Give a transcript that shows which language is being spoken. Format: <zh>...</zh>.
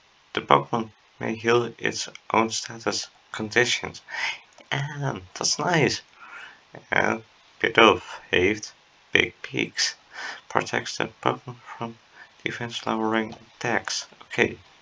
<en>The Pokémon may heal its own status conditions.</en> <nl>En, dat is nice. En, Bidoof heeft Big Peaks.</nl> <en>Protects the Pokemon from defense lowering attacks. Okay.</en>